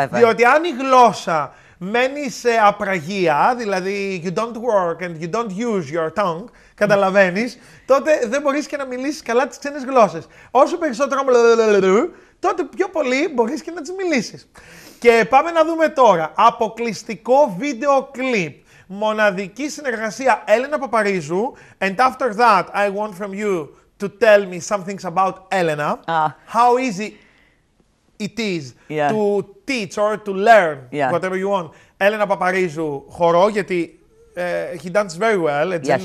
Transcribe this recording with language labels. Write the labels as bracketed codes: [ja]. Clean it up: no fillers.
[el] Διότι αν η γλώσσα μένει σε απραγία, δηλαδή [en] you don't work and you don't use your tongue, [el] καταλαβαίνεις, τότε δεν μπορείς και να μιλήσεις καλά τις ξένες γλώσσες. Όσο περισσότερο τότε πιο πολύ μπορείς και να τις μιλήσεις. Και πάμε να δούμε τώρα αποκλειστικό βίντεο κλιπ. Μοναδική συνεργασία Έλενα Παπαρίζου. [en] And after that, I want from you to tell me some things about Έλενα. How easy it is to teach or to learn whatever you want. [el] Έλενα Παπαρίζου, χορό, γιατί [en] he dances very well.